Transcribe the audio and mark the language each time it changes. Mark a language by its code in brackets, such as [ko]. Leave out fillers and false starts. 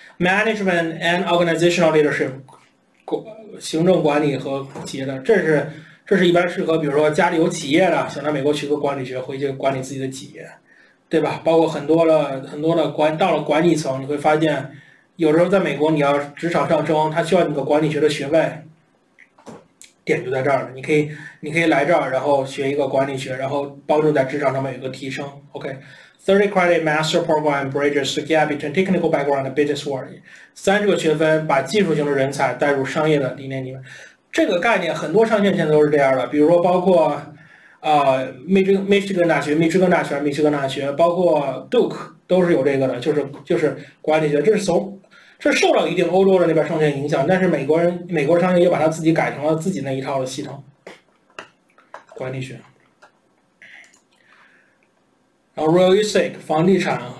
[zh] Management and Organizational Leadership 行政管理和企业的，这是一般适合比如说家里有企业的想到美国去个管理学回去管理自己的企业，对吧？包括很多的到了管理层，你会发现有时候在美国你要职场上升，他需要你个管理学的学位，点就在这儿了。你可以来这儿，然后学一个管理学，然后帮助在职场上面有个提升。 [en] OK， 30 credit master program bridges the gap between technical background and business world。 [zh] 30个学分把技术型的人才带入商业的理念里面。这个概念很多商学院现在都是这样的，比如说包括密歇根大学，包括 Duke 都是有这个的，就是管理学，这受到一定欧洲的那边商业影响，但是美国商业又把它自己改成了自己那一套的系统管理学。然后 real estate 房地产